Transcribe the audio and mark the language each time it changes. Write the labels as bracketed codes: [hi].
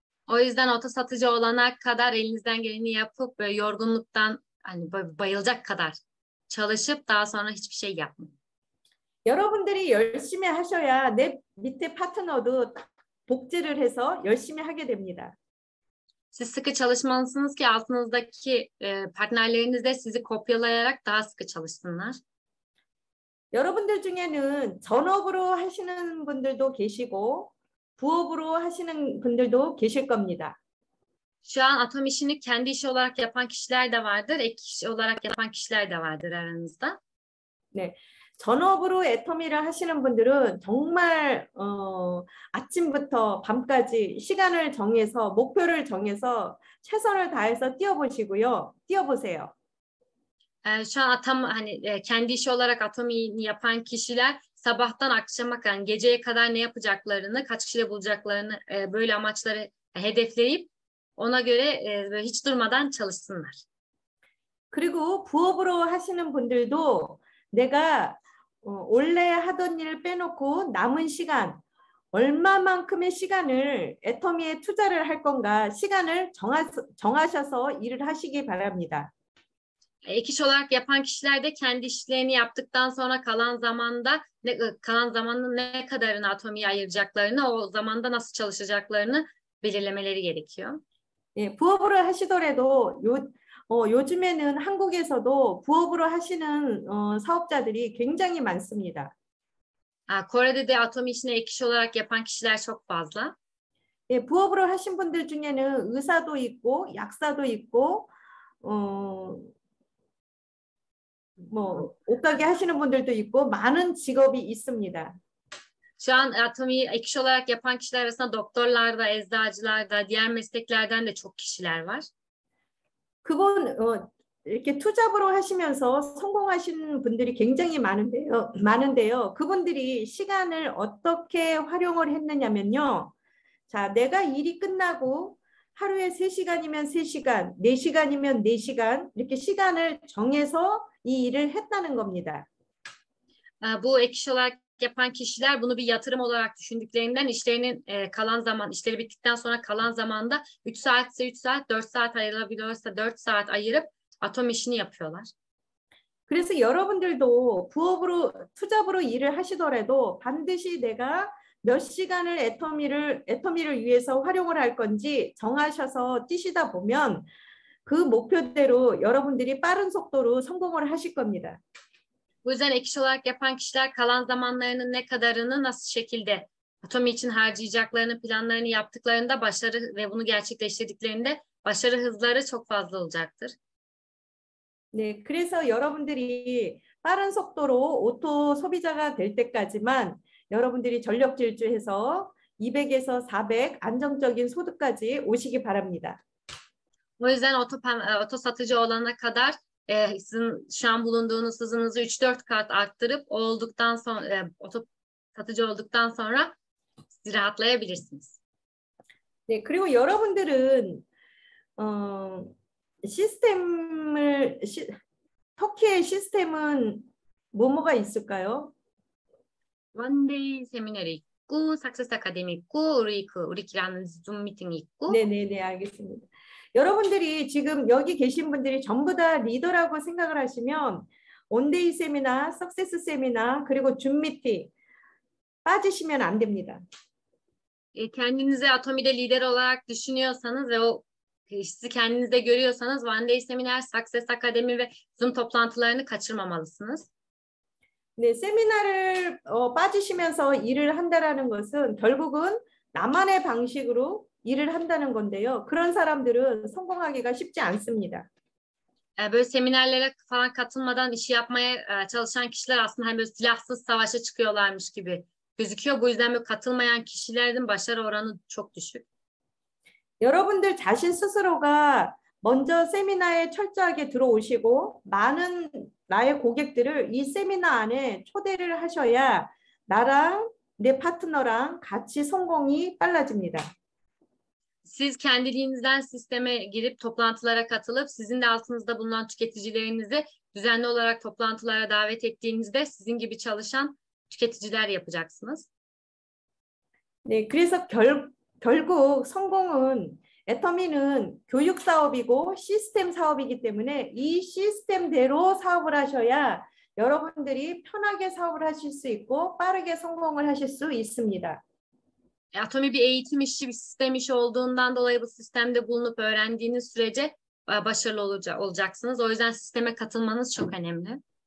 [tr] O yüzden oto satıcı olana kadar elinizden geleni yapıp böyle yorgunluktan hani bayılacak kadar çalışıp daha sonra hiçbir şey yapmayın. [ko] 여러분들이 열심히 하셔야 내 밑에 파트너도 복지를 해서 열심히 하게 됩니다. [tr] Siz sıkı çalışmalısınız ki altınızdaki partnerleriniz de sizi kopyalayarak daha sıkı çalışsınlar. [ko] 여러분들 중에는 전업으로 하시는 분들도 계시고 부업으로 하시는 분들도 계실 겁니다. [tr] Şu an atom işini kendi işi olarak yapan kişiler de vardır, ek iş olarak yapan kişiler de vardır aranızda. [ko] 네. 전업으로 애터미를 하시는 분들은 정말 아침부터 밤까지 시간을 정해서 목표를 정해서 최선을 다해서 뛰어보시고요. 뛰어보세요. [tr] Şu an kendi işi olarak atomi yapan kişiler sabahtan akşama kadar, geceye kadar ne yapacaklarını, kaç kişiyle bulacaklarını, böyle amaçları hedefleyip ona göre böyle hiç durmadan çalışsınlar. [ko] 그리고 부업으로 하시는 분들도 내가 원래 하던 일을 빼놓고 남은 시간, 얼마만큼의 시간을 애터미에 투자를 할 건가, 시간을 정하셔서 일을 하시기 바랍니다. [tr] Ek iş olarak yapan kişiler de kendi işlerini yaptıktan sonra kalan zamanın ne kadarını atomiye ayıracaklarını, o zamanda nasıl çalışacaklarını belirlemeleri gerekiyor. [ko] 예, 부업으로 하시더라도 요즘에는 한국에서도 부업으로 하시는 사업자들이 굉장히 많습니다. [tr] Kore'de de atom işini ek iş olarak yapan kişiler çok fazla. [ko] 예, 부업으로 하신 분들 중에는 의사도 있고 약사도 있고 뭐 옷가게 하시는 분들도 있고 많은 직업이 있습니다. [tr] Şu an atomi ek iş olarak yapan kişiler arasında doktorlar da, eczacılar da, diğer mesleklerden de çok kişiler var. [ko] 그건 이렇게 투잡으로 하시면서 성공하신 분들이 굉장히 많은데요. 그분들이 시간을 어떻게 활용을 했느냐면요. 자, 내가 일이 끝나고 하루에 3시간이면 3시간, 4시간이면 4시간 이렇게 시간을 정해서 이 일을 했다는 겁니다. [tr] Bu ek iş olarak yapan kişiler bunu bir yatırım olarak düşündüklerinden işlerinin kalan zaman, işleri bittikten sonra kalan zamanda 3 saatse 3 saat, 4 saat ayırabiliyorsa 4 saat ayırıp atom işini yapıyorlar. [ko] 그래서 여러분들도 투잡으로 일을 하시더라도 반드시 내가 몇 시간을 애터미를 위해서 활용을 할 건지 정하셔서 뛰시다 보면 그 목표대로 여러분들이 빠른 속도로 성공을 하실 겁니다. [tr] Bu yüzden ek iş olarak yapan kişiler kalan zamanlarının ne kadarını nasıl şekilde Atomi için harcayacaklarını, planlarını yaptıklarında başarı ve bunu gerçekleştirdiklerinde başarı hızları çok fazla olacaktır. [ko] 네, 그래서 여러분들이 빠른 속도로 오토 소비자가 될 때까지만 여러분들이 전력 질주해서 200에서 400 안정적인 소득까지 오시기 바랍니다. [tr] O yüzden oto satıcı olana kadar sizin şu an bulunduğunuz hızınızı 3-4 kat arttırıp olduktan sonra oto satıcı olduktan sonra rahatlayabilirsiniz. [ko] 네, 그리고 여러분들은 터키의 시스템은 뭐가 있을까요? 원데이 세미나리 있고, 석세스 아카데미 있고, 우리 키라는 줌 미팅 있고. 네, 알겠습니다. 여러분들이 지금 여기 계신 분들이 전부 다 리더라고 생각을 하시면 온데이 세미나, 석세스 세미나, 그리고 줌 미팅 빠지시면 안 됩니다. [tr] Kendinizi Atomi'de lider olarak düşünüyorsanız ve o sizi kendinizde görüyorsanız One Day Seminer, Success Academy ve Zoom toplantılarını kaçırmamalısınız. [ko] 네, 세미나를 빠지시면서 일을 한다라는 것은 결국은 나만의 방식으로 일을 한다는 건데요. 그런 사람들은 성공하기가 쉽지 않습니다. [tr] Böyle seminerlere falan katılmadan işi yapmaya çalışan kişiler aslında hani böyle silahsız savaşa çıkıyorlarmış gibi gözüküyor. Bu yüzden katılmayan kişilerin başarı oranı çok düşük. [ko] 여러분들 자신 스스로가 먼저 세미나에 철저하게 들어오시고 많은 나의 고객들을 이 세미나 안에 초대를 하셔야 나랑 내 파트너랑 같이 성공이 빨라집니다. [tr] Siz kendiliğinizden sisteme girip toplantılara katılıp sizin de altınızda bulunan tüketicilerinizi düzenli olarak toplantılara davet ettiğinizde sizin gibi çalışan tüketiciler yapacaksınız. [ko] 네, 그래서 결국 성공은 애터미는 교육 사업이고 시스템 사업이기 때문에 이 시스템대로 사업을 하셔야 여러분들이 편하게 사업을 하실 수 있고 빠르게 성공을 하실 수 있습니다. [tr] 아토미 bir eğitim işi, bir sistem işi olduğundan dolayı bu sistemde bulunup öğrendiğiniz sürece başarılı olacaksınız. O yüzden sisteme katılmanız çok önemli.